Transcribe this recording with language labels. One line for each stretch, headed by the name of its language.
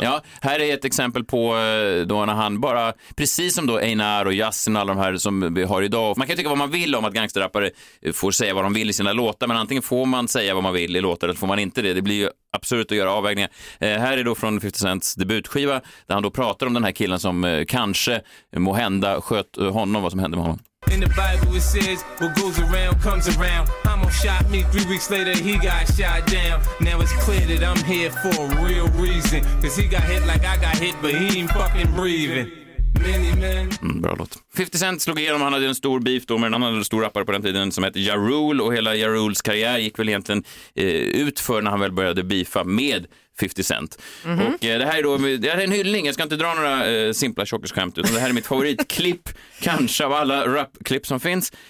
Swedish: Ja, här är ett exempel på då när han bara, precis som då Einar och Yasin och alla de här som vi har idag. Man kan tycka vad man vill om att gangsterrappare får säga vad de vill i sina låtar. Men antingen får man säga vad man vill i låtar eller får man inte det. Det blir ju absurt att göra avvägningar. Här är då från 50 Cents debutskiva där han då pratar om den här killen som kanske må hända sköt honom, vad som hände med honom.
English: In the Bible it says what goes around comes around. I'm gonna shot me 3 weeks later he got shot down. Now it's clear that I'm here for a real reason. Cause he got hit like I got hit but he ain't fucking breathing.
Swedish: Bra låt. 50 Cent slog igenom, han hade en stor beef då med en annan stor rappare på den tiden som hette Ja Rule. Och hela Ja Rules karriär gick väl egentligen ut för när han väl började beefa med 50 Cent. Mm-hmm. Och det här är då, det här är en hyllning, jag ska inte dra några simpla tjockerskämt utan det här är mitt favoritklipp, kanske av alla rapklipp som finns.